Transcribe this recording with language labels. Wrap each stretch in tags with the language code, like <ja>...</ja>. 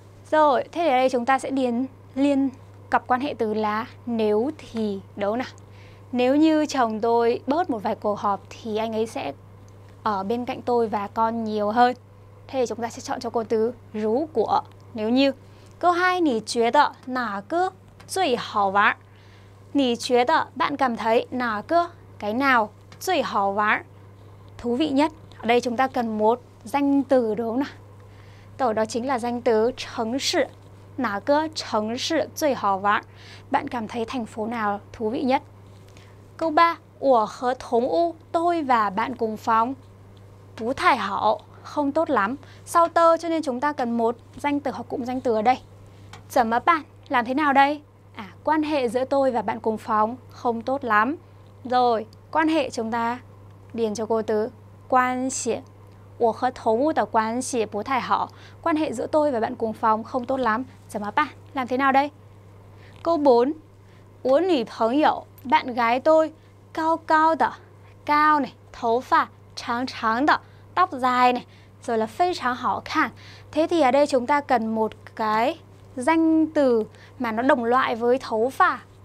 <vi>Rồi, thế thì ở đây chúng ta sẽ điền liên cặp quan hệ từ là nếu thì đâu nào. Nếu như chồng tôi bớt một vài cuộc họp thì anh ấy sẽ ở bên cạnh tôi và con nhiều hơn. Thế thì chúng ta sẽ chọn cho cô từ rú của, nếu như.</vi> <zh>Câu 2, 你觉得哪个最好玩? 你觉得,</zh> <vi>bạn cảm thấy 哪个, cái nào,</vi> <zh>最好玩?</zh> <vi>Thú vị nhất. Ở đây chúng ta cần một danh từ đúng không nào? Đó chính là danh từ 城市.</vi> <zh>哪个城市最好玩?</zh> <vi>Bạn cảm thấy thành phố nào thú vị nhất? Câu 3,</vi> <zh>我和同屋,</zh> <vi>tôi và bạn cùng phòng.</vi> <zh>不太好,</zh> <vi>không tốt lắm. Sau tơ cho nên chúng ta cần một danh từ hoặc cụm danh từ ở đây.</vi> <zh>怎么办?</zh> <vi>Làm thế nào đây? Quan hệ giữa tôi và bạn cùng phòng không tốt lắm. Rồi, quan hệ chúng ta điền cho cô từ 关系.</vi> <zh>我和同屋的关系不太好.</zh> <vi>Quan hệ giữa tôi và bạn cùng phòng không tốt lắm.</vi> <zh>怎么办?</zh> <vi>Làm thế nào đây? Câu 4.</vi> <zh>我女朋友,</zh> <vi>bạn gái tôi,</vi> <zh>高高的,</zh> <vi>cao này, 头发,</vi> <zh>长长的,</zh> <vi>tóc dài này, rồi là</vi> <zh>非常好看.</zh> <vi>Thế thì ở đây chúng ta cần một cái danh từ mà nó đồng loại với 头发.</vi>